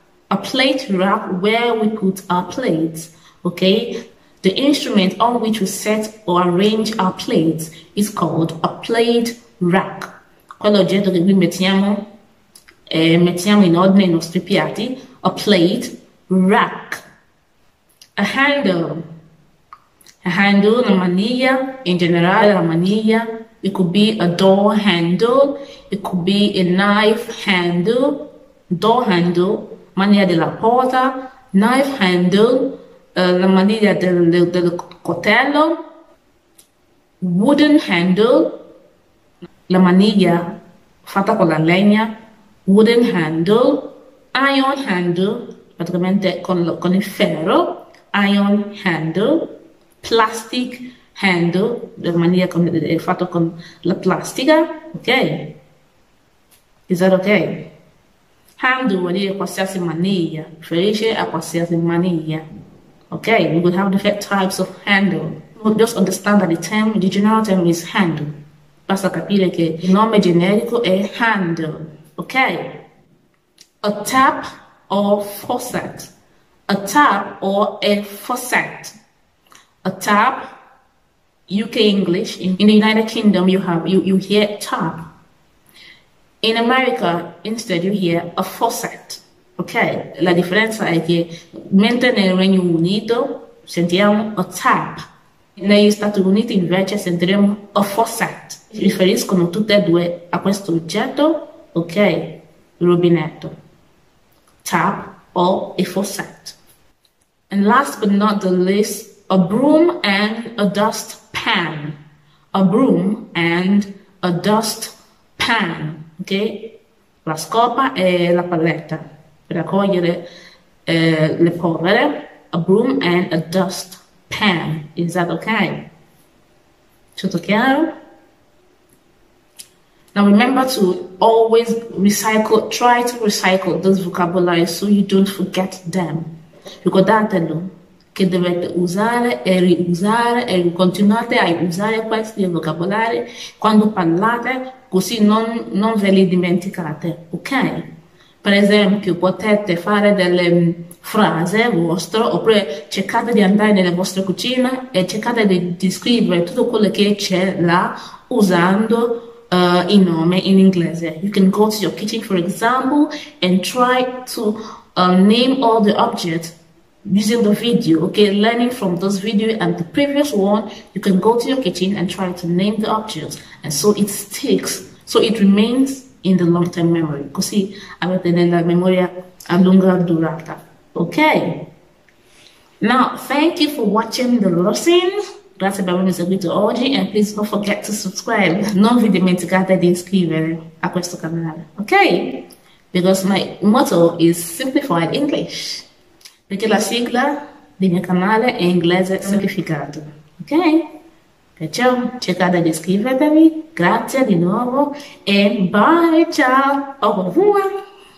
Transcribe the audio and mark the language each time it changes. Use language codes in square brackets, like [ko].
[en] A plate rack where we put our plates, ok? The instrument on which we set or arrange our plates is called a plate rack. [it] Quell'oggetto che qui mettiamo in ordine i nostri piatti, [en] a plate rack. A handle, [it] una maniglia, in generale la maniglia. [en] It could be a door handle, it could be a knife handle, door handle, [it] maniglia della porta, [en] knife handle, [it] la maniglia del coltello, [en] wooden handle, [it] la maniglia fatta con la legna, [en] wooden handle, iron handle, [it] praticamente con il ferro, [en] iron handle, plastic. [it] Handle, la maniglia è fatta con la plastica, ok? [en] Is that ok? [it] Handle vuol dire qualsiasi maniglia, riferisce a qualsiasi maniglia, ok? [en] We could have different types of handle. Just understand that the general term is handle. [it] Basta capire che il nome generico è handle, ok? [en] A tap or faucet. A tap or a faucet. A tap. UK English. In the United Kingdom, you hear tap. In America, instead, you hear a faucet. Ok? [it] La differenza è che mentre nel Regno Unito sentiamo a tap, negli Stati Uniti invece sentiremo a faucet. Si riferiscono tutte e due a questo oggetto, ok? Rubinetto. Tap o a faucet. [en] And last but not the least, a broom and a dust. Pan, a broom and a dust pan, ok? [it] La scopa e la paletta per raccogliere le polvere. [en] A broom and a dust pan. Is that ok? [it] Tutto chiaro? [en] Now remember to always recycle, try to recycle this vocabulary so you don't forget them. [it] Ricordatelo. Che dovete usare e riusare e continuate a usare questi vocabolari quando parlate, così non ve li dimenticate, ok? Per esempio, potete fare delle frasi vostre, oppure cercate di andare nella vostra cucina e cercate di scrivere tutto quello che c'è là usando i nomi in inglese. [en] You can go to your kitchen, for example, and try to name all the objects. Using the video, okay, learning from this video and the previous one, you can go to your kitchen and try to name the objects, and so it sticks, so it remains in the long-term memory. [it] Così avete nella memoria a lunga durata. [en] Ok, now thank you for watching the lesson. [it] Grazie per avermi seguito oggi, [en] and please don't forget to subscribe. [it] Non vi dimenticate di iscrivervi a questo canale, ok? [en] Because my motto is simplified English. [it] Perché la sigla del mio canale è inglese semplificato, ok? Perciò cercate di iscrivervi, grazie di nuovo e bye, ciao, [fr] au revoir!